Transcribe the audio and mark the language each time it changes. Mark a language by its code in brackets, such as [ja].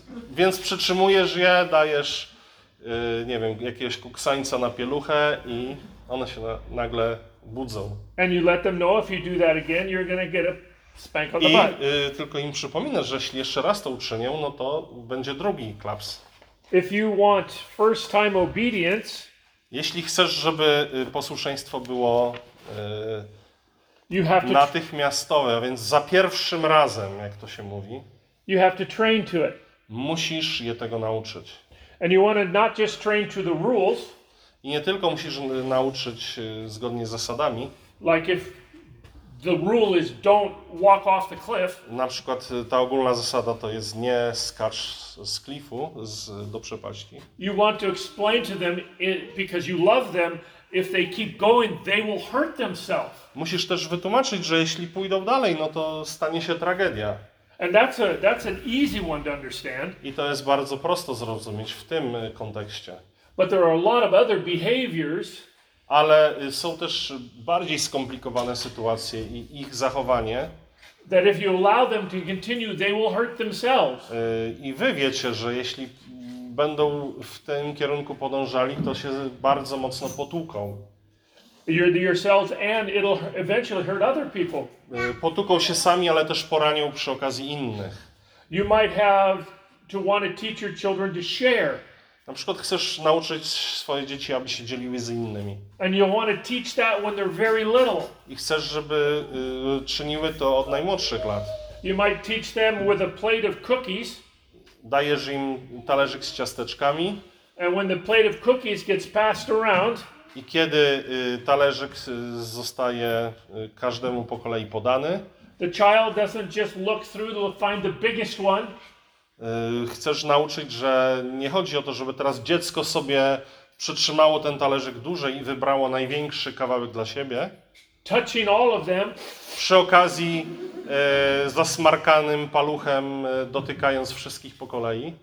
[pl] Więc przytrzymujesz je, dajesz, nie wiem, jakiegoś kuksańca na pieluchę i one się nagle budzą. [en] And you let them know if you do that again, you're gonna get a spank on the [pl] I, [en] butt. [pl] Tylko im przypominasz, że jeśli jeszcze raz to uczynią, no to będzie drugi klaps. [en] If you want first time obedience, [pl] jeśli chcesz, żeby posłuszeństwo było [en] you have to [pl] natychmiastowe, a więc za pierwszym razem, jak to się mówi, [en] you have to train to it. [pl] Musisz je tego nauczyć. [en] And you want to not just train to the rules. [pl] I nie tylko musisz nauczyć zgodnie z zasadami. [en] Like if the rule is don't walk off the cliff. [pl] Na przykład ta ogólna zasada to jest nie skacz z klifu, do przepaści. [en] You want to explain to them it, because you love them. If they keep going, they will hurt themselves. [pl] Musisz też wytłumaczyć, że jeśli pójdą dalej, no to stanie się tragedia. [en] And that's an easy one to understand. [pl] I to jest bardzo prosto zrozumieć w tym kontekście. [en] But there are a lot of other behaviors. [pl] Ale są też bardziej skomplikowane sytuacje i ich zachowanie. [en] That if you allow them to continue, they will hurt themselves. [pl] I wy wiecie, że jeśli będą w tym kierunku podążali, to się bardzo mocno potłuką. [en] Yourselves and it'll eventually hurt other people. [pl] Potłuką się sami, ale też poranią przy okazji innych. [en] You might have to want to teach your children to share. [pl] Na przykład chcesz nauczyć swoje dzieci, aby się dzieliły z innymi. [en] And you want to teach that when they're very little. [pl] I chcesz, żeby czyniły to od najmłodszych lat. [en] You might teach them with a plate of cookies. [pl] Dajesz im talerzyk z ciasteczkami. [en] And when the plate of cookies gets passed around, [pl] i kiedy talerzyk zostaje każdemu po kolei podany, [en] the child doesn't just look through to find the biggest one. [pl] Chcesz nauczyć, że nie chodzi o to, żeby teraz dziecko sobie przytrzymało ten talerzyk dłużej i wybrało największy kawałek dla siebie. [en] Touching all of them. [pl] Przy okazji zasmarkanym paluchem dotykając wszystkich po kolei.